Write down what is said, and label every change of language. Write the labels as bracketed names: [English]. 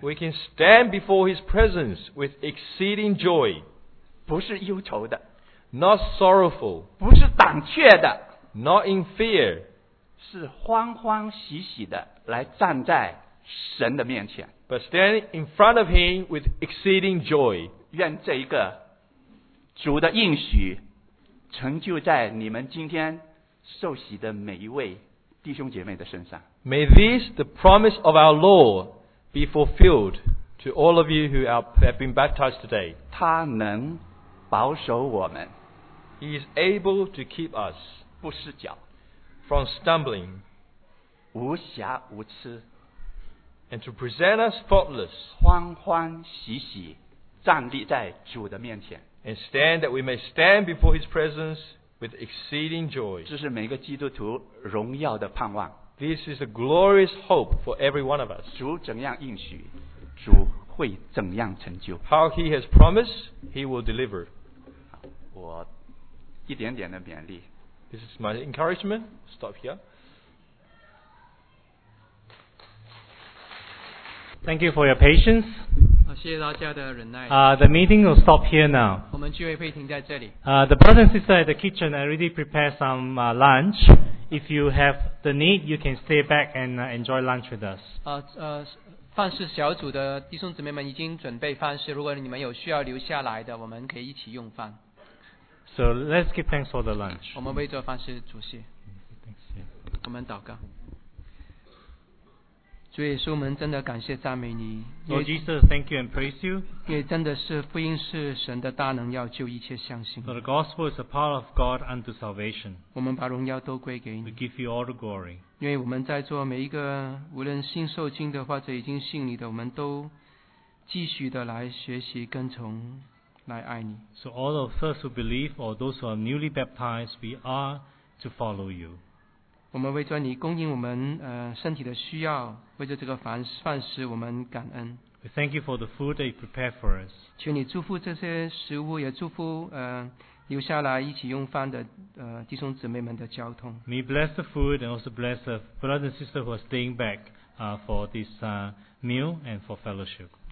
[English] We can stand before His presence with exceeding joy. [Chinese] 不是忧愁的。 [English] Not sorrowful, [Chinese] 不是胆怯的 [English] not in fear, [Chinese] 是欢欢喜喜的来站在神的面前 [English] but stand in front of him with exceeding joy. [Chinese] 愿这一个主的应许成就在你们今天受洗的每一位弟兄姐妹的身上。 [English] May this, the promise of our Lord, be fulfilled to all of you who have been baptized today. [Chinese] 他能保守我们。 [English] He is able to keep us [Chinese] 不失脚 [English] from stumbling [Chinese] 无瑕无疵 [English] and to present us faultless [Chinese] 欢欢喜喜站立在主的面前 [English] and stand that we may stand before his presence with exceeding joy [Chinese] 这是每个基督徒荣耀的盼望 [English] This is a glorious hope for every one of us [Chinese] 主怎样应许主会怎样成就 [English] How he has promised he will deliver [Chinese] 我一点点的勉励。 [English] This is my encouragement. Stop here. Thank you for your patience. [Chinese] 谢谢大家的忍耐。 [English] The meeting will stop here now. [Chinese] 我们聚会会停在这里。 [English] The brothers and sisters at the kitchen already prepared some lunch. If you have the need, you can stay back and enjoy lunch with us. [Chinese] 饭事小组的弟兄姊妹们已经准备饭事。如果你们有需要留下来的，我们可以一起用饭。 [English] So let's give thanks for the lunch. [Chinese] 我们为这饭事主谢。 [English] Thanks, yeah. [Chinese] 我们祷告。主耶稣，我们真的感谢赞美你。 [English] Lord Jesus, thank you and praise you. [Chinese] 因为真的是福音是神的大能，要救一切相信。 [English] So the gospel is the power of God unto salvation. [Chinese] 我们把荣耀都归给你。 [English] We give you all the glory. [Chinese] 因为我们在座每一个，无论新受浸的或者已经信你的，我们都继续的来学习跟从。来爱你。 [English] So all of us who believe, or those who are newly baptized, we are to follow you. [Chinese] 我们为着你供应我们身体的需要，为着这个饭食，我们感恩。 [English] We thank you for the food that you prepare for us. [Chinese] 求你祝福这些食物，也祝福留下来一起用饭的弟兄姊妹们的交通。 [English] May you bless the food and also bless the brothers and sisters who are staying back for this meal and for fellowship.